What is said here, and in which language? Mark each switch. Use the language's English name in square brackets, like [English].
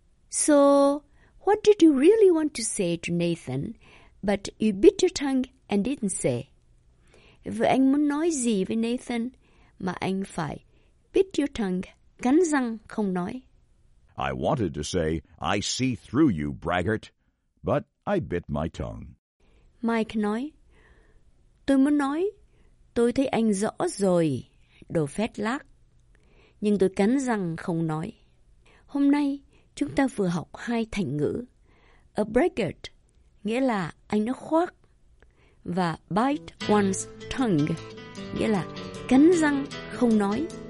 [English] So, what did you really want to say to Nathan, but you bit your tongue and didn't say? [Vietnamese] Vậy anh muốn nói gì với Nathan mà anh phải [English] bit your tongue, [Vietnamese] cắn răng không nói? [English] I wanted to say, I see through you, braggart, but I bit my tongue. [Vietnamese] Mike nói, tôi muốn nói, tôi thấy anh rõ rồi, đồ phét lác, nhưng tôi cắn răng không nói. Hôm nay, chúng ta vừa học hai thành ngữ, a braggart, nghĩa là anh nó khoác, và [English] bite one's tongue, [Vietnamese] nghĩa là cắn răng không nói.